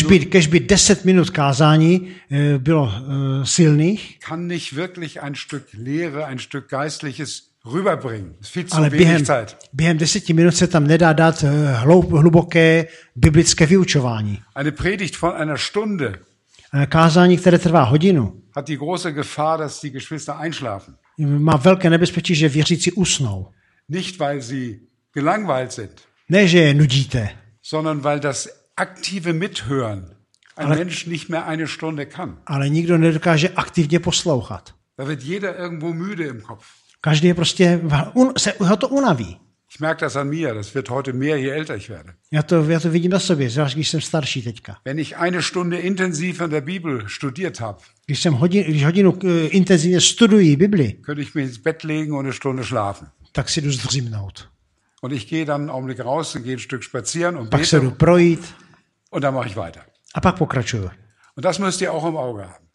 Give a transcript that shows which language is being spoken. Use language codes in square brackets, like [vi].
[cs] Kežby 10 minut kázání bylo silných. [de] Kann nicht wirklich ein Stück Lehre, ein Stück geistliches rüberbringen. Es fehlt zu wenig Zeit. [cs] Během 10 minut se tam nedá dát hluboké biblické vyučování. [de] Eine Predigt von einer Stunde. [cs] Kázání, které trvá hodinu. [de] Hat die große Gefahr, dass die Geschwister einschlafen. [cs] Má velké nebezpečí, že věřící usnou. [de] Nicht weil sie gelangweilt sind. [cs] Ne, že je nudíte. [de] Sondern weil das aktive Mithören ein ale, Mensch nicht mehr eine Stunde kann. [cs] Ale nikdo nedokáže aktivně poslouchat. [de] Da wird jeder irgendwo müde im Kopf. [cs] Každý je prostě se ho to unaví. [de] Ich merke das an mir, das wird heute mehr, je älter ich werde. [cs] Já to vidím na sobě, zvlášť když jsem starší teďka. [de] Wenn ich eine Stunde intensiv in der Bibel studiert habe. [cs] Když hodinu intenzivně studuji Bibli. [de] Könnte ich mich ins Bett legen und eine Stunde schlafen. [cs] Tak si jdu zdřímnout. [de] Und ich gehe dann einen Augenblick raus und gehe ein Stück spazieren und [cs] pak se jdu projít. [de] Und dann mache ich weiter. [cs] A pak pokračuju. [de] Und das müsst ihr auch im Auge haben.